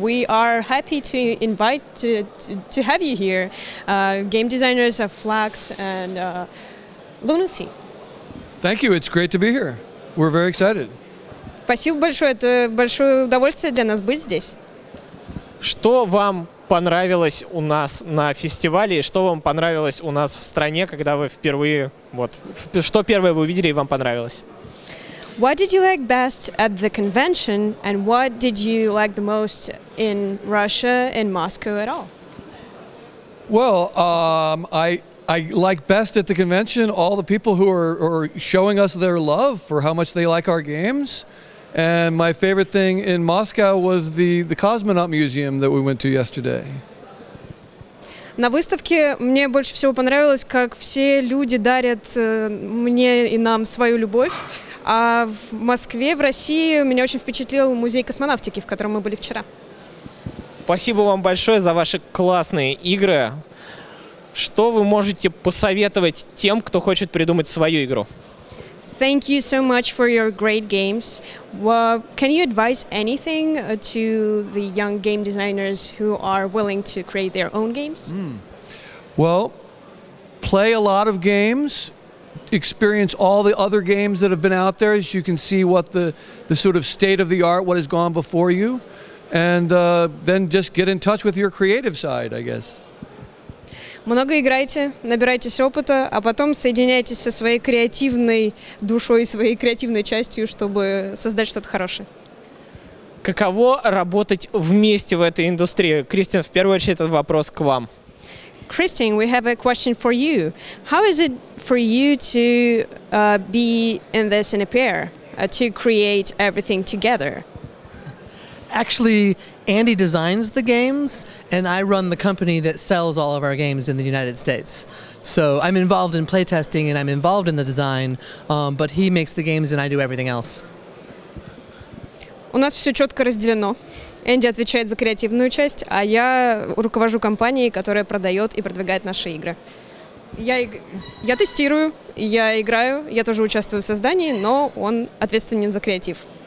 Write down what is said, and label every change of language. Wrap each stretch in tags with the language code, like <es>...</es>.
<en>We are happy to invite to have you here, game designers of Flux and Lunacy. Thank you. It's great to be here. We're very excited.</en> <ru>Спасибо большое. Это большое удовольствие для нас быть здесь. Что вам понравилось у нас на фестивале и что вам понравилось у нас в стране, когда вы впервые вот что первое вы увидели и вам понравилось?</ru> <en>What did you like best at the convention, and what did you like the most in Russia, in Moscow at all? Well, I like best at the convention all the people who are showing us their love for how much they like our games. And my favorite thing in Moscow was the Cosmonaut Museum that we went to yesterday.</en> <ru>На выставке мне больше всего понравилось, как все люди дарят мне и нам свою любовь. А в Москве, в России, меня очень впечатлил музей космонавтики, в котором мы были вчера. Спасибо вам большое за ваши классные игры. Что вы можете посоветовать тем, кто хочет придумать свою игру?</ru> <en>Thank you so much for your great games. Well, can you advise anything to the young game designers who are willing to create their own games? Well, play a lot of games. Experience all the other games that have been out there, as you can see what the sort of state of the art, what has gone before you, and then just get in touch with your creative side, I guess.</en> <ru>Много играйте, набирайтесь опыта, а потом соединяйтесь со своей креативной душой, своей креативной частью, чтобы создать что-то хорошее. Каково работать вместе в этой индустрии? Кристин, в первую очередь этот вопрос к вам.</ru> <en>Christine, we have a question for you. How is it for you to be in this in a pair, to create everything together? Actually, Andy designs the games, and I run the company that sells all of our games in the United States. So I'm involved in playtesting, and I'm involved in the design, but he makes the games, and I do everything else.</en> <ru>У нас все четко разделено. Энди отвечает за креативную часть, а я руковожу компанией, которая продает и продвигает наши игры. Я тестирую, я играю, я тоже участвую в создании, но он ответственен за креатив.</ru>